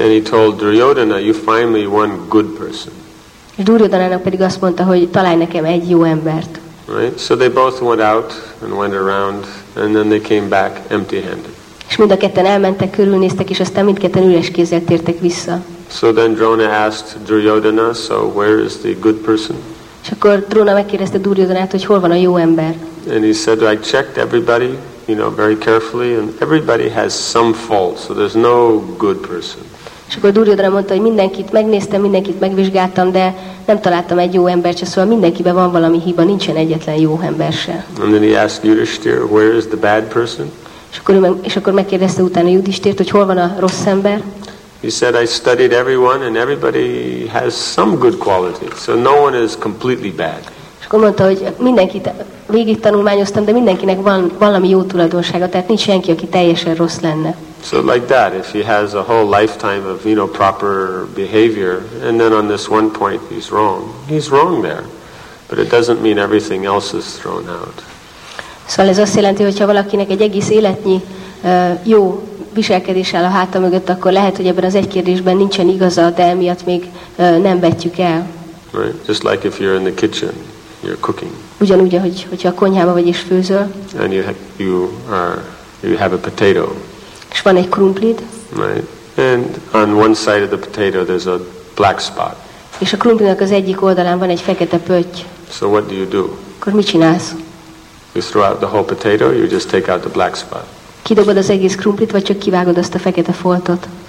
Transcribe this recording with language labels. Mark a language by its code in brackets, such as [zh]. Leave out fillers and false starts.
[en] And he told Duryodhana, you find me one good person. [hu] És Duryodhanának pedig azt mondta, hogy találj nekem egy jó embert. [en] Right. So they both went out and went around, and then they came back empty-handed. [hu] És mind a ketten elmentek, körülnéztek, és aztán mindketten üres kézzel tértek vissza. [en] So then Drona asked Duryodhana, so where is the good person? [hu] És akkor Drona megkérdezte Duryodhanát, hogy hol van a jó ember. [en] And he said, I checked everybody, you know, very carefully, and everybody has some fault, so there's no good person. [hu] És akkor Duryodhana mondta, hogy mindenkit megnéztem, mindenkit megvizsgáltam, de nem találtam egy jó embert se, szóval mindenkiben van valami hiba, nincsen egyetlen jó ember se. [en] And then he asked Yudhishthir, where is the bad person? [hu] És akkor megkérdezte utána Yudhishthirt, hogy hol van a rossz ember. [en] He said, I studied everyone and everybody has some good quality, so no one is completely bad. [hu] És akkor mondta, hogy mindenkit végig tanulmányoztam, de mindenkinek van valami jó tulajdonsága, tehát nincs senki, aki teljesen rossz lenne. [en] So like that, if he has a whole lifetime of, you know, proper behavior, and then on this one point he's wrong there. But it doesn't mean everything else is thrown out. [hu] Szóval ez azt jelenti, hogyha valakinek egy egész életnyi jó viselkedés áll a háta mögött, akkor lehet, hogy ebben az egy kérdésben nincsen igaza, de emiatt még nem vetjük el. [en] Right. Just like if you're in the kitchen, you're cooking. [hu] Ugyanúgy, hogyha a konyhában vagy és főzöl. [en] And you have a potato. [hu] És van egy krumplid. [en] Right. And on one side of the potato there's a black spot. [hu] És a krumplinak az egyik oldalán van egy fekete pötty. [en] So what do you do? [hu] Akkor mit csinálsz? [en] You throw out the whole potato, you just take out the black spot. [hu] Kidobod az egész krumplit, vagy csak kivágod azt a fekete foltot.